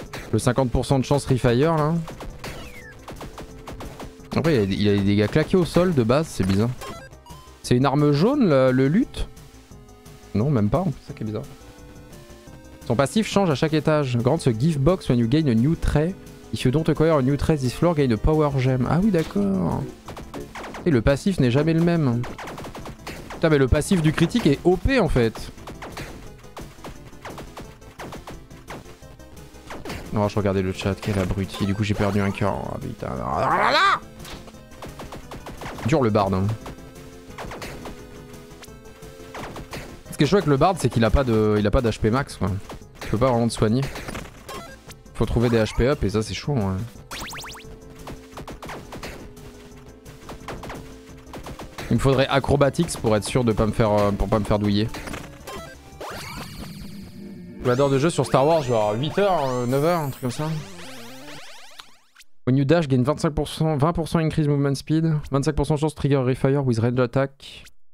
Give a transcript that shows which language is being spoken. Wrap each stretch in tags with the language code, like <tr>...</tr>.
<fr>Le 50% de chance refire, là. En vrai, il a des dégâts claqués au sol, de base, c'est bizarre. C'est une arme jaune, le lutte? Non, même pas, c'est ça qui est bizarre. Son passif change à chaque étage.</fr> <en>Grant ce gift box when you gain a new trait. If you don't acquire a new trait this floor, gain a power gem.</en> <fr>Ah oui, d'accord. Et le passif n'est jamais le même. Putain, mais le passif du critique est OP en fait. Oh, je regardais le chat, quel abruti. Du coup, j'ai perdu un cœur. Oh putain. Oh, là, là. Dur le bard. Hein. Ce qui est chouette avec le bard, c'est qu'il a pas de, il a pas d'HP max quoi. Tu peux pas vraiment te soigner. Faut trouver des HP up et ça c'est chaud. Ouais. Il me faudrait acrobatics pour être sûr de pas me faire pour pas me faire douiller. J'adore de jeu sur Star Wars genre 8h, 9h, un truc comme ça.</fr> <en>When you dash, gain 25%, 20% increase movement speed, 25% chance trigger refire with range attack.</en>